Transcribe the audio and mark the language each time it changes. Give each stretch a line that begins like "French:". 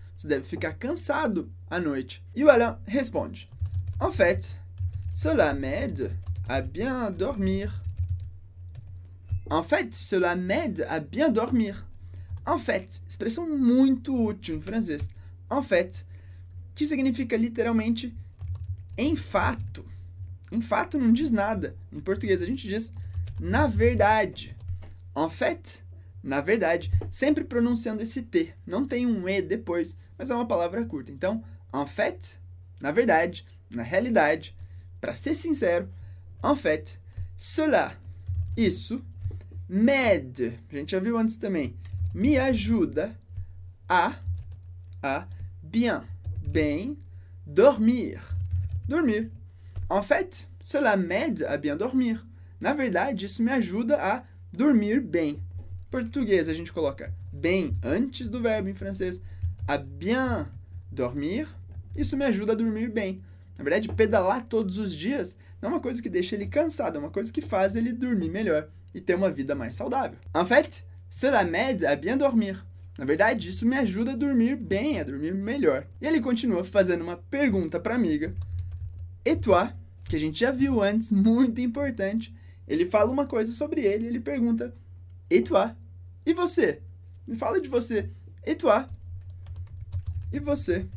Portuguese: Você deve ficar cansado à noite. E o Alain responde.
French: En fait, cela m'aide à bien dormir. En fait, cela m'aide à bien dormir. En fait,
Portuguese: expressão muito útil em francês. En fait, que significa literalmente em fato não diz nada. Em português a gente diz na verdade.
French: En fait,
Portuguese: na verdade. Sempre pronunciando esse T. Não tem um E depois, mas é uma palavra curta. Então,
French: en fait,
Portuguese: na verdade, na realidade, para ser sincero, en fait, cela, isso, m'aide, a gente já viu antes também, me ajuda a bien, bem, dormir, dormir.
French: En fait, cela m'aide à bien dormir.
Portuguese: Na verdade, isso me ajuda a dormir bem. Em português, a gente coloca bem antes do verbo em francês.
French: A bien dormir,
Portuguese: isso me ajuda a dormir bem. Na verdade, pedalar todos os dias não é uma coisa que deixa ele cansado, é uma coisa que faz ele dormir melhor e ter uma vida mais saudável.
French: En fait, cela m'aide à bien dormir.
Portuguese: Na verdade, isso me ajuda a dormir bem, a dormir melhor. E ele continua fazendo uma pergunta para a amiga.
French: Et toi,
Portuguese: que a gente já viu antes, muito importante, ele fala uma coisa sobre ele, ele pergunta, et toi, e você? Me fala de você,
French: et toi,
Portuguese: e você?